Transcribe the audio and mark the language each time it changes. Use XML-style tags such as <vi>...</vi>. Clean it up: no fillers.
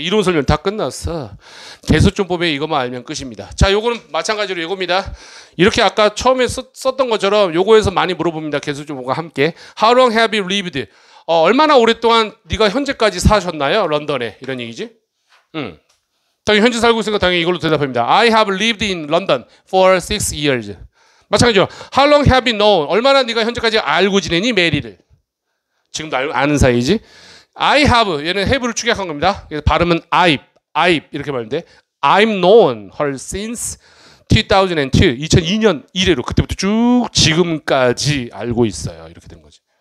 <ko>이론 설명 다 끝났어. 대소준법에 이것만 알면 끝입니다. 자, 요거는 마찬가지로 이겁니다. 이렇게 아까 처음에 썼던 것처럼 요거에서 많이 물어봅니다. 대소준법과 함께.</ko> <en>How long have you lived?</en> <ko>얼마나 오랫동안 네가 현재까지 사셨나요? 런던에. 이런 얘기지? 당연히 현재 살고 있으니까 당연히 이걸로 대답합니다.</ko> <en>I have lived in London for 6 years.</en> <ko>마찬가지로</ko> <en>How long have you known?</en> <ko>얼마나 네가 현재까지 알고 지내니? 메리를. 지금도 아는 사이지? I have, 얘는 have를 축약한 겁니다. 그래서 발음은 I've 이렇게 말하는데</ko> <en>I'm known her since 2002,</en> <ko>2002년 이래로 그때부터 쭉 지금까지 알고 있어요. 이렇게 된 거지.</ko>